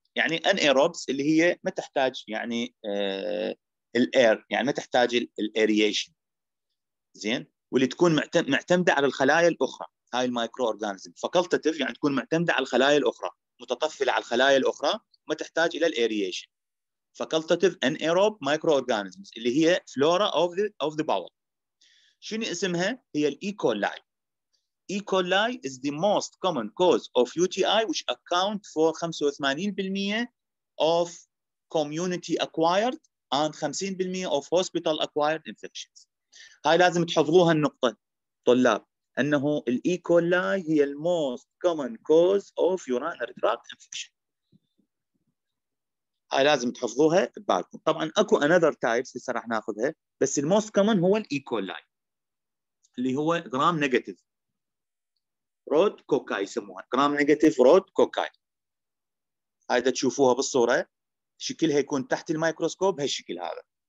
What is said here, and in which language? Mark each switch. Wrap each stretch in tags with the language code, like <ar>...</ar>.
<ar>يعني anaerobes اللي هي ما تحتاج يعني الاير، يعني ما تحتاج الاريشن. زين؟ واللي تكون معتمدة على الخلايا الأخرى. هاي المايكرو اورجانزم فاكلتاتيف، يعني تكون معتمده على الخلايا الاخرى، متطفله على الخلايا الاخرى، ما تحتاج الى الايريشن.</ar> <en>facultative anaerobe microorganism</en> <ar>اللي هي</ar> <en>Flora of the bowel.</en> <ar>شنو اسمها؟ هي الايكولاي.</ar> <en>E. coli is the most common cause of UTI, which account for 85% of community acquired and 50% of hospital acquired infections.</en> <ar>هاي لازم تحفظوها النقطة طلاب، أنه E.</ar> <en>coli هي the most common cause of urinary tract infection.</en> <ar>هاي لازم تحفظوها ببالكم. طبعا أكو</ar> <en>another types</en> <ar>لسه راح ناخذها، بس</ar> <en>the most common</en> <ar>هو E.</ar> <en>coli</en> <ar>اللي هو</ar> <en>gram negative rod cocci,</en> <ar>يسموها</ar> <en>Gram negative rod cocci.</en> <ar>هاي تشوفوها بالصوره شكلها يكون تحت الميكروسكوب هالشكل هذا.</ar>